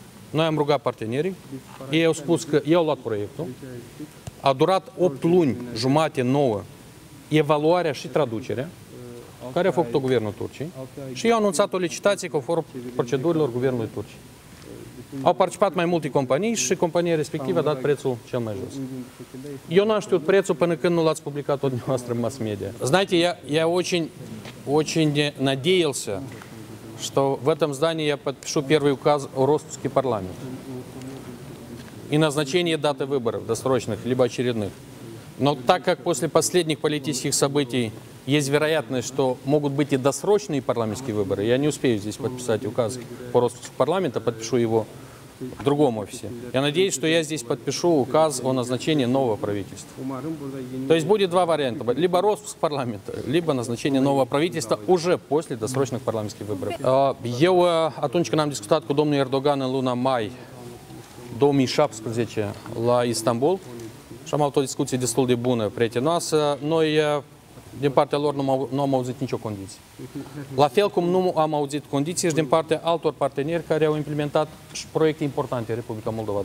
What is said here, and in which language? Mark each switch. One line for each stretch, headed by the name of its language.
Romanian: Noi am rugat partenerii, ei au spus că ei au luat proiectul, a durat 8 luni, jumate, 9, evaluarea și traducerea, care a făcut-o guvernul Turciei, și ei au anunțat o licitație conform procedurilor guvernului Turciei. Au participat mai multe companii și compania respectivă a dat prețul cel mai jos. Eu n-am știut prețul până când nu l-ați publicat-o dumneavoastră în mass-media.
Russian: Знаете, я очень надеялся, что в этом здании я подпишу первый указ о роспуске парламента и назначении даты выборов, досрочных, либо очередных. Но так как после последних политических событий есть вероятность, что могут быть и досрочные парламентские выборы, я не успею здесь подписать указ по роспуску парламента, подпишу его в другом офисе. Я надеюсь, что я здесь подпишу указ о назначении нового правительства. То есть будет два варианта. Либо роспуск парламента, либо назначение нового правительства уже после досрочных парламентских выборов.
Romanian: Eu atunci când am discutat cu domnul Erdogan în luna mai 2017 la Istanbul, și am avut o discuție destul de bună prietenoasă, noi din partea lor nu am auzit nicio condiție. La fel cum nu am auzit condiții și din partea altor parteneri care au implementat și proiecte importante în Republica Moldova.